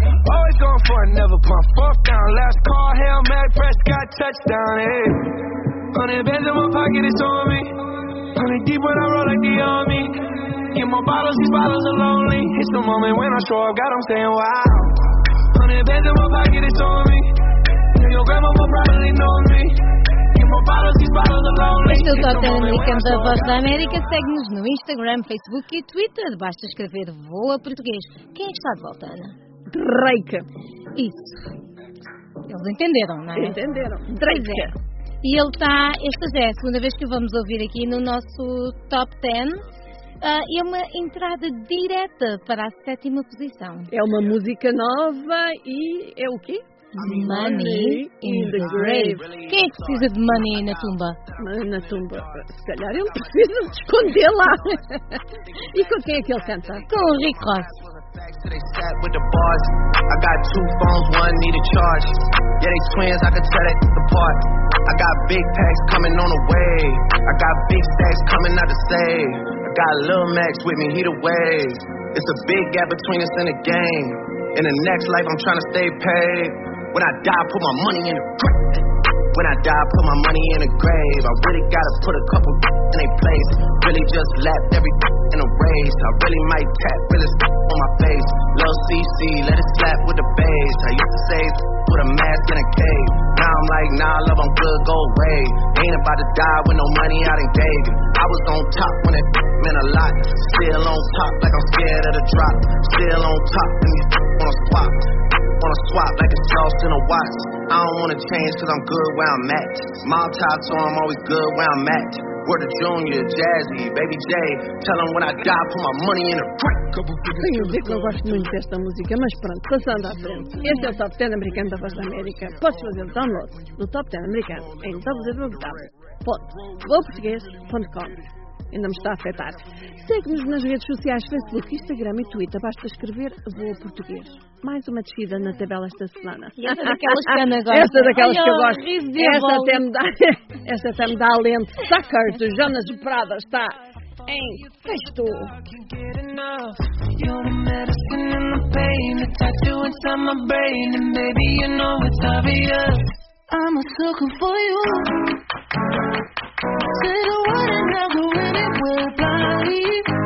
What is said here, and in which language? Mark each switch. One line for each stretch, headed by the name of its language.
English: Always going for it, never pump fourth down. Last call, Hail Mary, Prescott, touchdown, hey. 100 bands in my pocket, it's on me. 100 deep when I roll like the army. Get more bottles, these bottles are lonely. It's the moment when I show up, God, I'm saying wow. 100 bands in my pocket, it's on me. And your grandma will probably know me.
Portuguese: Este é o Top 10 Americano da Voz da América. Segue-nos no Instagram, Facebook e Twitter. Basta escrever Voa Português. Quem está de volta, Ana? Drake. Isso. Eles entenderam, não é? Entenderam. Drake. E ele está. Esta já é a segunda vez que o vamos ouvir aqui no nosso Top 10. E é uma entrada direta para a 7ª posição. É uma música nova e é o quê? Money in the grave. Quem é que precisa de money na tumba? Na tumba. Se calhar ele precisa de esconder lá. E com quem é que ele canta? Com o Rick Ross.
English: With the boss, I got 2 phones, 1 need a charge. Yeah, they twins, I could tell that it's apart. I got big packs coming on the way. I got big stacks coming out to save. I got Lil Max with me, he the way. It's a big gap between us and the game. In the next life, I'm trying to stay paid. When I die, I put my money in the grave. When I die, I put my money in the grave. I really gotta put a couple in their place. Really just lapped every in a race. I really might tap, really on my face. Lil CC, let it slap with the bass. I used to say, put a mask in a cave. Now I'm like, nah, love, I'm good, go away. Ain't about to die with no money out in Vegas. I was on top when it meant a lot. Still on top, like I'm scared of the drop. Still on top, and these wanna swap. Wanna swap like it's lost in a watch. I don't wanna change cause I'm good where I'm at. Mom top, so I'm always good where I'm at. Word of Junior, Jazzy, Baby J. Tell them when I die, put my money in a crack.
Portuguese: Tenho a dizer que não gosto muito desta música, mas pronto, passando à frente. Este é o Top 10 Americano da Voz da América. Podes fazer o download do Top 10 Americano em www.voaportugues.com. Ainda me está a afetar. Segue-nos nas redes sociais, Facebook, Instagram e Twitter. Basta escrever Voa Português. Mais uma descida na tabela esta semana. E essa daquelas que eu gosto. Essa daquelas que eu gosto. Essa até me dá alento. Suckers, o Jonas de Prada está...
English: Hey, you're the medicine and the pain, the tattoo inside my brain, and baby, you know it's obvious. I'm a sucker for you. Say the word and I'll go anywhere, blind.